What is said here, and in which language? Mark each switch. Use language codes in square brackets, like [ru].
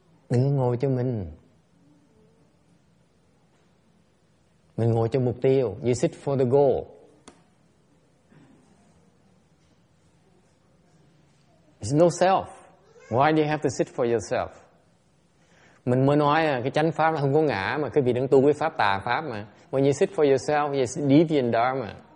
[vi] Đừng ngồi cho mình. Mình ngồi cho mục tiêu. [en] You sit for the goal. There's no self. Why do you have to sit for yourself? [vi] Mình mới nói à, cái chánh pháp là không có ngã mà quý vị đang tu với pháp tà pháp mà. [en] When you sit for yourself, you sit deep in Dharma.